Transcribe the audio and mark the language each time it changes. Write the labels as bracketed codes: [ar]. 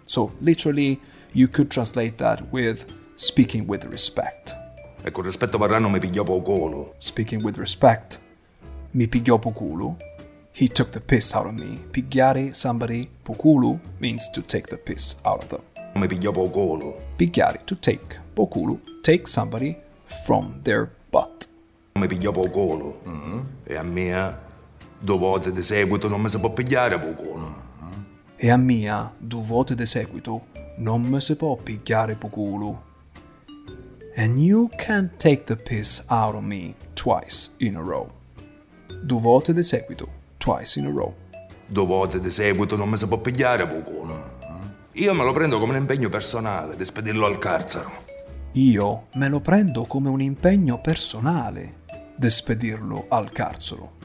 [en] So literally you could translate that with speaking with respect. [it] E con rispetto parrànnu mi pigliò po' culo. [en] Speaking with respect. [it] Mi pigliò po' culo. [en] He took the piss out of me. Pigliare somebody po' culo means to take the piss out of them. [it] Mi pigliò po' culo. [en] Pigliare, to take. Po' culo, take somebody from their butt. [it] Mi pigliò po' culo. E a mia, due volte di seguito non mi si può pigliare po' culo. E a mia, due volte di seguito non mi si può pigliare po' culo. [en] And you can't take the piss out of me twice in a row. [it] Due volte di seguito, [en] twice in a row. [it] Due volte di seguito non mi si può pigliare po' culo. Io me lo prendo come un impegno personale di spedirlo al carcere. Io me lo prendo come un impegno personale di spedirlo al carcere.